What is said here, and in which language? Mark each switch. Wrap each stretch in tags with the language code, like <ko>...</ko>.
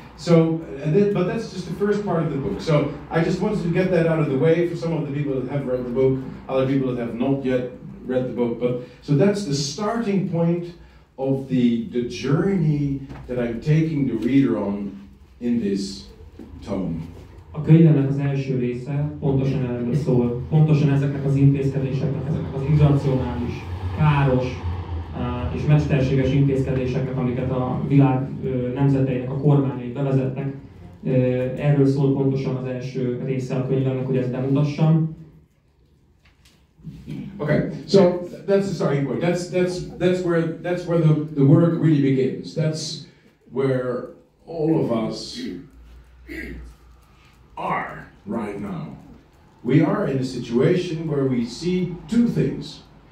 <en>But that's just the first part of the book. So I just wanted to get that out of the way for some of the people that have read the book, other people that have not yet read the book, but so that's the starting point of the journey that I'm taking the reader on in this tome.</en> <hu>A könyvemnek az első része pontosan erről szól. Pontosan ezeknek az intézkedéseknek, ezeknek az irracionális, káros és mesterséges intézkedéseknek, amiket a világ nemzeteinek a kormányai bevezettek. Erről szól pontosan az első része a könyvemnek, hogy ezt bemutassam.</hu> <en>Okay, so that's the starting point. That's where the work really begins. That's where all of us are right now. We are in a situation where we see two things.</en>